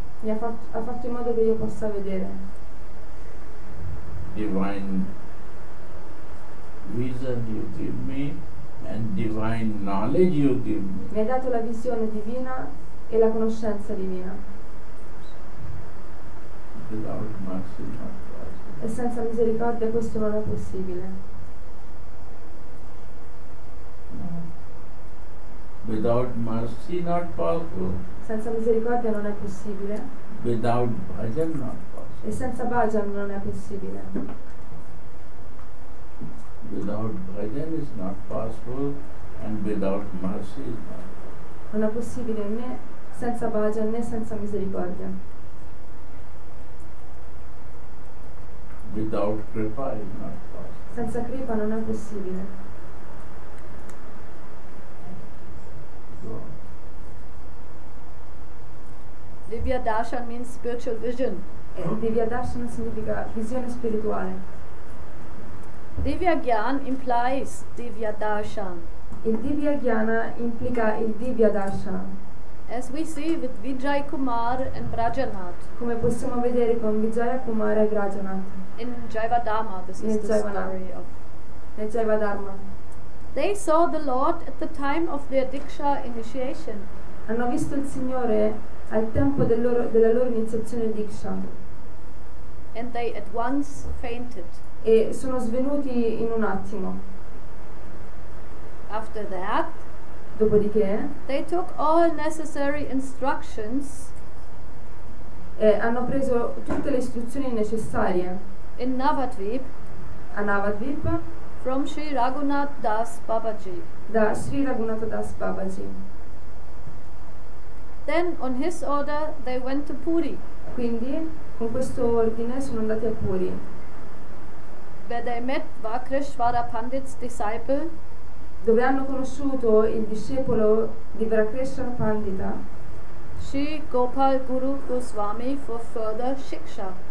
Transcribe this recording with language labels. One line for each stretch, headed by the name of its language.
Italian: Mi ha fatto in modo che io possa vedere.
English: Divine vision you give me and divine knowledge you give me.
Italian: Mi hai dato la visione divina e la conoscenza divina.
English: Without mercy, not possible.
Italian: E senza misericordia questo non è possibile.
English: Without mercy, not possible.
Italian: Senza misericordia non è possibile.
English: Without bhajan, not possible.
Italian: E senza bhajan non è possibile.
English: Without bhajan is not possible and without mercy is not possible.
Italian: Non è possibile né senza bhajan né senza misericordia.
English: Without kripa is not possible.
Italian: Senza kripa non è possibile.
English: Divya Darshan means spiritual vision.
Italian: Divya Darshan significa visione spirituale.
English: Divya Gyan implies Divya Darshan.
Italian: Il Divya Gyana implica il Divya Darshan.
English: As we see with Vijay Kumar and Vrajanath.
Italian: Come possiamo vedere con Vijay Kumar e Vrajanath.
English: In Jaivadharma, this is the story of. Dharma. They saw the Lord at the time of their Diksha initiation.
Italian: Hanno visto il Signore al tempo del loro, della loro iniziazione Diksha.
English: And they at once fainted.
Italian: E sono svenuti in un attimo.
English: After that,
Italian: dopodiché,
English: they took all necessary instructions.
Italian: E hanno preso tutte le istruzioni necessarie.
English: In Navadvip,
Italian: a Navadvip,
English: from Sri Raghunath Das Babaji.
Italian: Da Sri Raghunath Das Babaji.
English: Then, on his order, they went to Puri.
Italian: Quindi, con questo ordine, sono andati a Puri.
English: Where they met Vakreshwara Pandit's disciple.
Italian: Dove hanno conosciuto il discepolo di Vakreshwara Pandita.
English: Sri Gopal Guru Goswami for further shiksha.